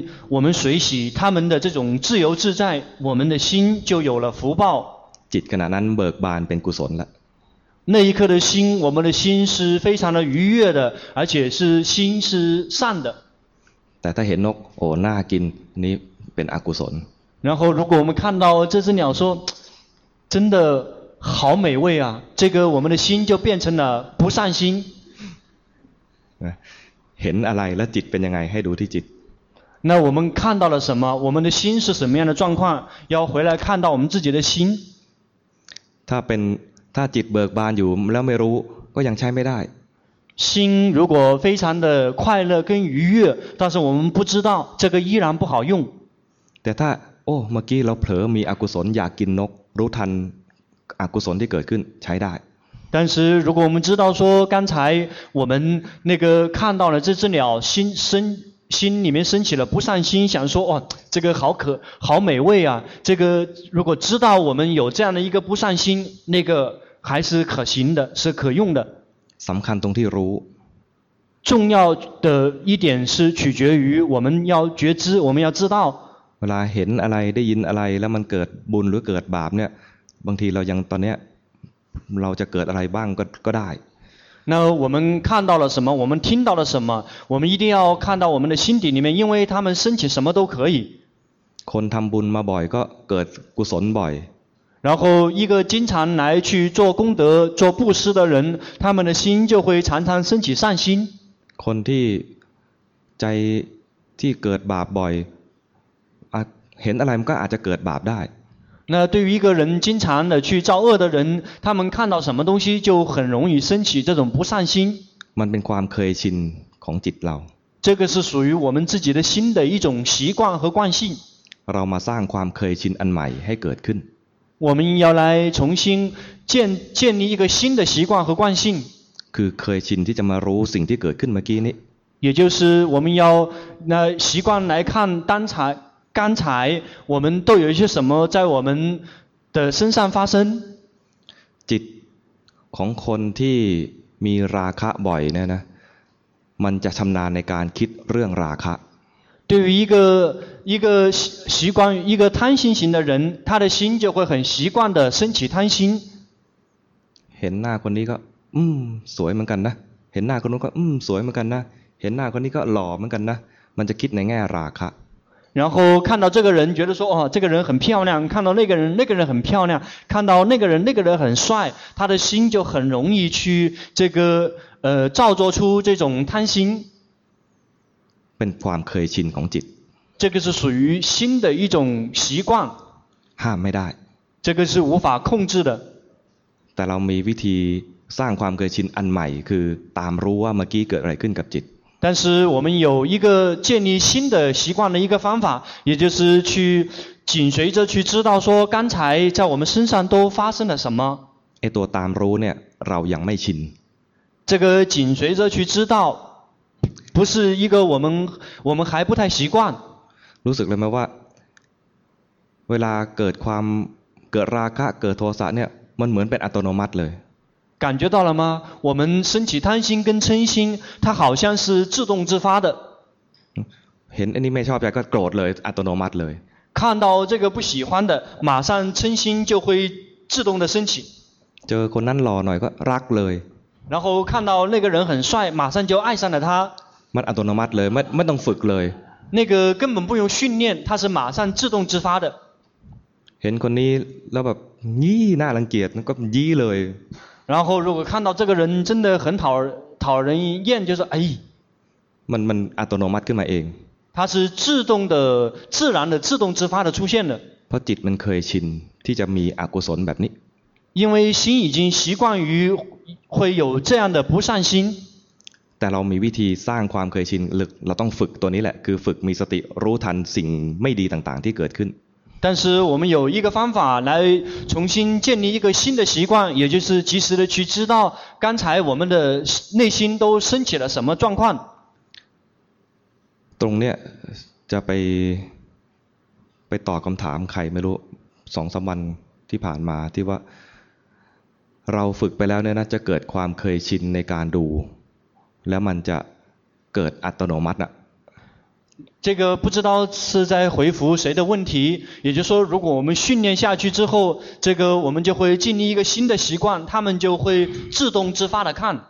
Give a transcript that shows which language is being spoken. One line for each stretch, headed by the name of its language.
Chinese: 我们随喜他们的这种自由自在我们的心就有了福报
Thai: จิตขณะนั้นเบิกบานเป็นกุศลละ
Chinese: 那一刻的心我们的心是非常的愉悦的而且是心是善的
Thai: แต่ถ้าเห็นนกโอ้น่ากินนี่เป็นอกุศล
Chinese: 然后如果我们看到这只鸟说真的好美味啊这个我们的心就变成了不善心
Thai: เห็นอะไรแล้วจิตเป็นยังไงให้ดูที่จิต
Chinese: 那我们看到了什么我们的心是什么样的状况要回来看到我们自己的心
Thai: ถ้าเป็นถ้าจิตเบิกบานอยู่แล้วไม่รู้ก็ยังใช้ไม่ได้
Chinese: 心如果非常的快乐跟愉悦但是我们不知道这个依然不好用
Thai: แต่ถ้าโอ้เมื่อกี้เราเผลอมีอกุศลอยากกินนกรู้ทัน 阿古松的格根才大。
Chinese: 但是如果我们知道说刚才我们那个看到了这只鸟，心里面升起了不善心，想说哇这个好可好美味啊，这个如果知道我们有这样的一个不善心，那个还是可行的，是可用的。三看东地如重要的一点是取决于我们要觉知，我们要知道
Thai: เวลาเห็นอะไรได้ยินอะไรแล้วมันเกิดบุญหรือเกิดบาปเนี่ยบางทีเรายังตอนเนี้ยเราจะเกิดอะไรบ้างก็ได้
Chinese: 那我们看到了什么，我们听到了什么，我们一定要看到我们的心底里面，因为他们升起什么都可以。
Thai: คนทำบุญมาบ่อยก็เกิดกุศลบ่อย
Chinese: 然后一个经常来去做功德做布施的人，他们的心就会常常升起善心。
Thai: คนที่ใจที่เกิดบาปบ่อยเห็นอะไรมันก็อาจจะเกิดบาปได้
Chinese: 那对于一个人经常的去造恶的人，他们看到什么东西就很容易升起这种不善心。
Thai: มันเป็นความเคยชินของจิตเรา。
Chinese: 这个是属于我们自己的心的一种习惯和惯性。
Thai: เรามาสร้างความเคยชินอันใหม่ให้เกิดขึ้น。
Chinese: 我们要来重新建立一个新的习惯和惯性。
Thai: คือเคยชินที่จะมารู้สิ่งที่เกิดขึ้นเมื่อกี้นี้。
Chinese: 也就是我们要那习惯来看当才。刚才我们都有一些什么在我们的身上发生？
Thai: จิตของคนที่มีราคะบ่อยเนี่ยนะมันจะชำนาญในการคิดเรื่องราคะ
Chinese: 对于一个习惯一个贪心型的人，他的心就会很习惯的升起贪心。
Thai: เห็นหน้าคนนี้ก็อืมสวยเหมือนกันนะเห็นหน้าคนนู้นก็อืมสวยเหมือนกันนะเห็นหน้าคนนี้ก็หล่อเหมือนกันนะมันจะคิดในแง่ราคะ
Chinese: 然后看到这个人觉得说哦这个人很漂亮，看到那个人很漂亮，看到那个人很帅，他的心就很容易去这个造作出这种贪心。
Thai: เป็นความเคยชินของจิต。
Chinese: 这个是属于心的一种习惯。
Thai: ห้ามไม่ได้。
Chinese: 这个是无法控制的。
Thai: แต่เรามีวิธีสร้างความเคยชินอันใหม่คือตามรู้ว่าเมื่อกี้เกิดอะไรขึ้นกับจิต。
Chinese: 但是我们有一个建立新的习惯的一个方法，也就是去紧随着去知道说刚才在我们身上都发生了什么。
Thai: ไอ้ตัวตามรู้เนี่ยเรายังไม่ชิน。
Chinese: 这个紧随着去知道，不是一个我们还不太习惯。
Thai: รู้สึกเลยไหมว่าเวลาเกิดความเกิดราคะเกิดโทสะเนี่ยมันเหมือนเป็นอัตโนมัติเลย。
Chinese: 感觉到了吗？我们升起贪心跟嗔心，它好像是自动自发的。
Thai: เห็นอันนี้ไม่ชอบใจก็โกรธเลยอัตโนมัติเลย。
Chinese: 看到这个不喜欢的，马上嗔心就会自动的升起。
Thai: เจอคนนั้นหล่อหน่อยก็รักเลย。
Chinese: 然后看到那个人很帅，马上就爱上了他。
Thai: มันอัตโนมัติเลยไม่ต้องฝึกเลย。
Chinese: 那个根本不用训练，它是马上自动自发的。
Thai: เห็นคนนี้แล้วแบบยี่น่ารังเกียจก็ยี่เลย。
Chinese: 然后如果看到这个人真的很讨人厌，就说哎，
Thai: มันอัตโนมัติขึ้นมาเอง。
Chinese: 它是自动的、自然的、自动自发的出现的。
Thai: เพราะจิตมันเคยชินที่จะมีอกุศลแบบนี้。
Chinese: 因为心已经习惯于会有这样的不善心。
Thai: แต่เรามีวิธีสร้างความเคยชินเราต้องฝึกตัวนี้แหละคือฝึกมีสติรู้ทันสิ่งไม่ดีต่างๆที่เกิดขึ้น。
Chinese: 但是我们有一个方法来重新建立一个新的习惯，也就是及时的去知道刚才我们的内心都升起了什么状况。
Thai: ตรงเนี้ยจะไปตอบคำถามใครไม่รู้สองสามวันที่ผ่านมาที่ว่าเราฝึกไปแล้วเนี่ยนะจะเกิดความเคยชินในการดูแล้วมันจะเกิดอัตโนมัติอะ
Chinese: 这个不知道是在回复谁的问题，也就是说，如果我们训练下去之后，这个我们就会建立一个新的习惯，他们就会自动自发的看。